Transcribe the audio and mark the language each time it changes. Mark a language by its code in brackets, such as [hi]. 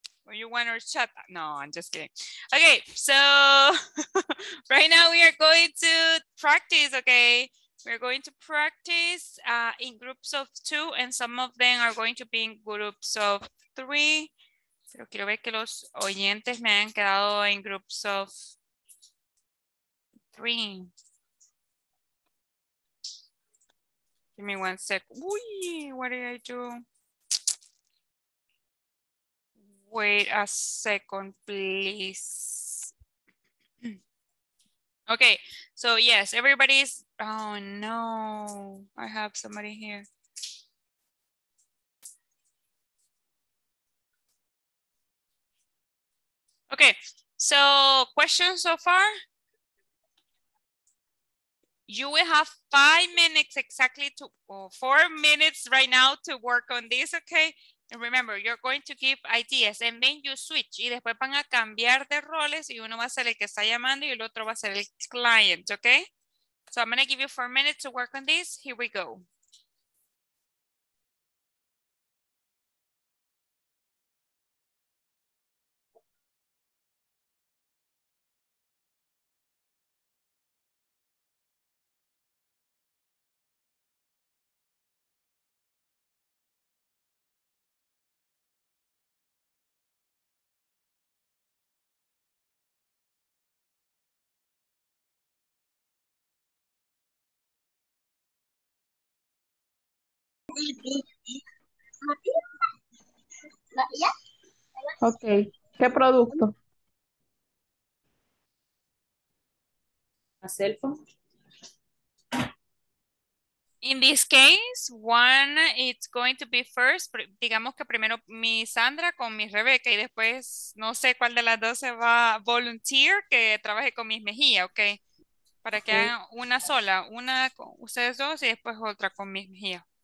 [en] You want our chat? No, I'm just kidding. Okay, so right now we are going to practice, okay? We're going to practice in groups of two, and some of them are going to be in groups of three. [es] Pero quiero ver que los oyentes me han quedado en [en] groups of three. Give me one sec. Uy, what did I do? Wait a second, please. Okay, so yes, everybody's, oh no, I have somebody here. Okay, so questions so far? You will have 5 minutes exactly to, oh, 4 minutes right now to work on this, okay? And remember, you're going to give ideas and then you switch. [es] Y después van a cambiar de roles y uno va a ser el que está llamando y el otro va a ser el client, okay? [en] So I'm going to give you 4 minutes to work on this. Here we go. [es] Okay. ¿Qué producto? [en] A cell phone. In this case, one it's going to be first. [es] Digamos que primero mi Sandra con mi Rebeca y después no sé cuál de las dos se va a volunteer que trabaje con mis mejillas, okay? Para que hagan una sola, una con ustedes dos y después otra con mis mejillas.